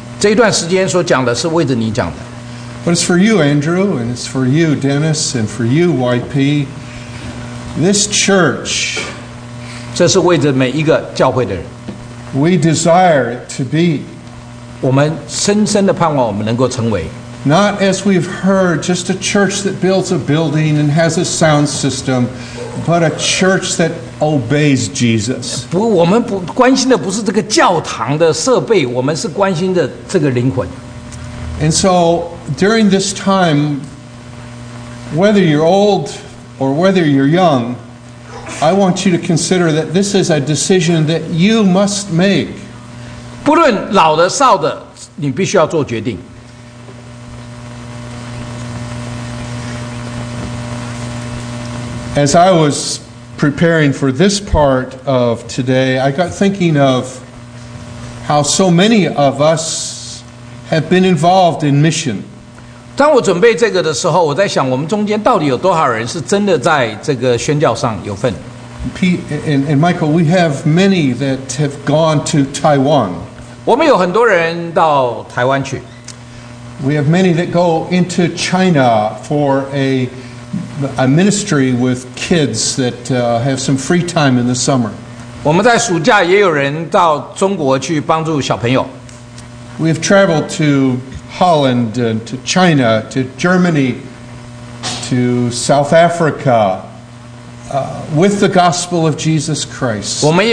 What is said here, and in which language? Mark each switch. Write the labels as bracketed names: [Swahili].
[Chinese] 这一段时间所讲的是为着你讲的。 [English] But it's for you, Andrew, and it's for you, Dennis, and for you, YP. This church, [Chinese] 这是为着每一个教会的人。 [English] We desire it to be. [Chinese] 我们深深地盼望我们能够成为。 [English] Not as we've heard, just a church that builds a building and has a sound system, but a church that obeys Jesus. [Chinese] 我们不关心的不是这个教堂的设备，我们是关心的这个灵魂。 [English] And so, during this time, whether you're old or whether you're young, I want you to consider that this is a decision that you must make. [Chinese] 不论老的少的，你必须要做决定。 [English] As I was preparing for this part of today, I got thinking of how so many of us have been involved in mission. [Chinese] 当我准备这个的时候，我在想，我们中间到底有多少人是真的在这个宣教上有份？ [English] And Michael, we have many that have gone to Taiwan. [Chinese] 我们有很多人到台湾去。 [English] We have many that go into China for a ministry with kids that have some free time in the summer. [Chinese] 我们在暑假也有人到中国去帮助小朋友。 [English] We have traveled to Holland and to China, to Germany, to South Africa, with the gospel of Jesus Christ.